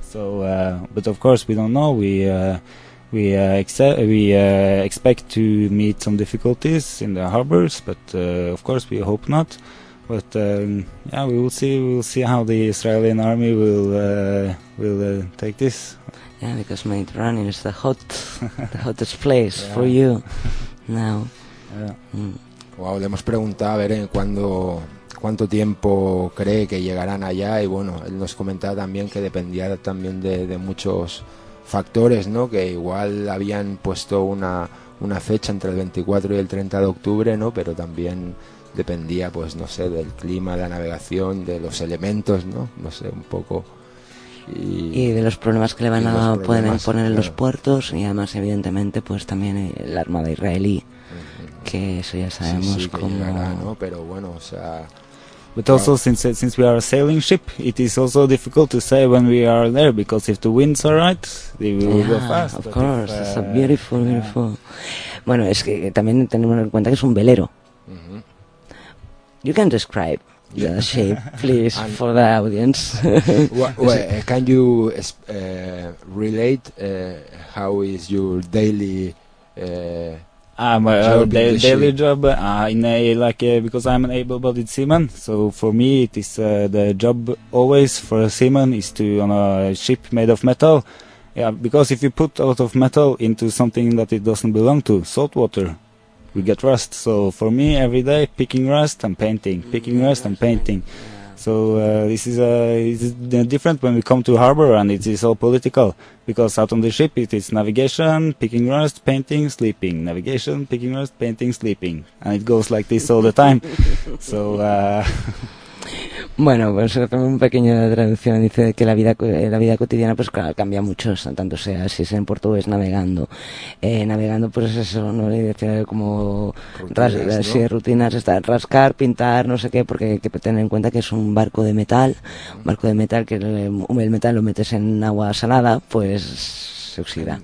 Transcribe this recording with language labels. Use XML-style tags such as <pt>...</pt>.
<en>So, but of course we don't know. We expect to meet some difficulties in the harbors, but of course we hope not. But we will see. We will see how the Israeli army will take this. Yeah, because Mediterranean is the hottest place for you now. Yeah.</en> <es>Wow, le hemos preguntado a ver cuánto tiempo cree que llegarán allá, y bueno, él nos comentaba también que dependía también de muchos factores, ¿no? Que igual habían puesto una fecha entre el 24 y el 30 de octubre, ¿no? Pero también dependía, pues no sé, del clima, de la navegación, de los elementos, ¿no? No sé, un poco. Y de los problemas que le van a poder poner en los puertos, y además evidentemente pues también el armada israelí. Que eso ya sabemos sí, cómo llegará, ¿no? Pero bueno, o sea,</es> <en>but also since we are a sailing ship, it is also difficult to say when we are there, because if the winds are right, they will go fast. Of course, it's a beautiful, beautiful. Yeah.</en> <es>Bueno, es que también tenemos en cuenta que es un velero. Mm-hmm.</es> <en>You can describe the shape, please, for the audience. Can you relate how is your daily? My daily job because I'm an able-bodied seaman. So for me, it is the job always for a seaman is to on a ship made of metal. Yeah, because if you put a lot of metal into something that it doesn't belong to, salt water, we get rust. So for me, every day picking rust and painting, picking rust and painting. So this is different when we come to harbor, and it is all political, because out on the ship it is navigation, picking rest, painting, sleeping, navigation, picking rest, painting, sleeping, and it goes like this all the time. So</en> <es>bueno, pues también un pequeño de traducción dice que la vida cotidiana pues claro, cambia mucho, tanto sea si es en portugués navegando, navegando pues eso, no le decía como rutinas, ¿no? Sí, rutinas, rascar, pintar, no sé qué, porque hay que tener en cuenta que es un barco de metal, que el metal lo metes en agua salada, pues se oxida.</es>